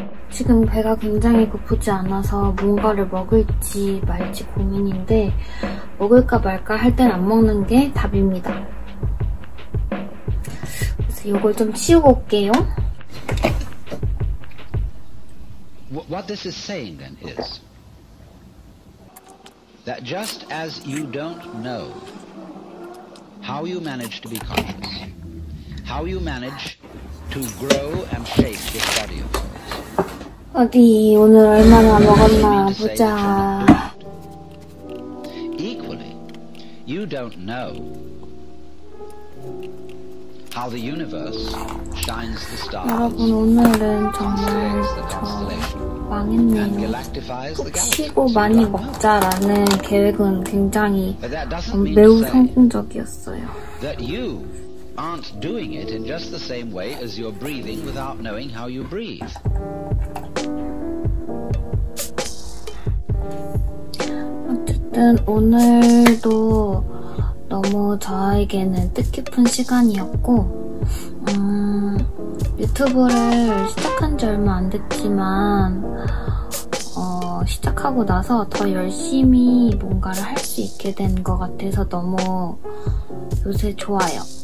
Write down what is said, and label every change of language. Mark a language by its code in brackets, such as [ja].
[ko] 지금 배가 굉장히 고프지 않아서 뭔가를 먹을지 말지 고민인데 먹을까 말까 할 땐 안 먹는 게 답입니다. 그래서 이걸 좀 치우고 올게요. [en] What this is saying then is that just as you don't know how you manage to be conscious, how you manage to grow and shape this body of yours. [ko] 어디 오늘 얼마나 먹었나 보자. [en] You don't know how the universe shines the stars. [ko] 여러분 오늘은 정말 저 망했네요. 치고 많이 먹자라는 계획은 굉장히 매우 성공적이었어요. [en] That you aren't doing it in just the same way as you're breathing without knowing how you breathe. [ko] 어쨌든 오늘도 너무 저에게는 뜻깊은 시간이었고 유튜브를 시작한 지 얼마 안 됐지만 시작하고 나서 더 열심히 뭔가를 할 수 있게 된 것 같아서 너무 요새 좋아요.